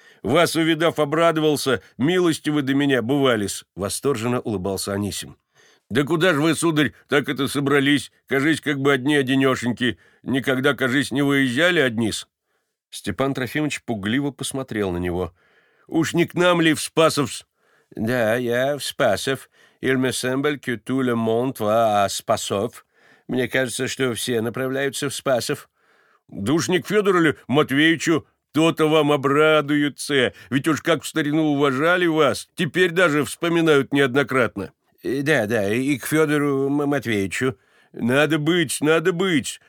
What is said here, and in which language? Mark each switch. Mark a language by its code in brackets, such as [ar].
[ru] «Вас, увидав, обрадовался, милости вы до меня бывались», — восторженно улыбался Анисим. «Да куда же вы, сударь, так это собрались? Кажись, как бы одни-одинешеньки. Никогда, кажись, не выезжали одни-с?» Степан Трофимович пугливо посмотрел на него. «Уж не к нам ли в Спасовс?» «Да, я в Спасов. [fr] Il me semble que tout le monde va à Спасов. [ru] Мне кажется, что все направляются в Спасов». «Да уж не к Федору ли Матвеевичу? То-то вам обрадуются. Ведь уж как в старину уважали вас, теперь даже вспоминают неоднократно». «Да, да, и к Федору Матвеевичу». «Надо быть, надо быть.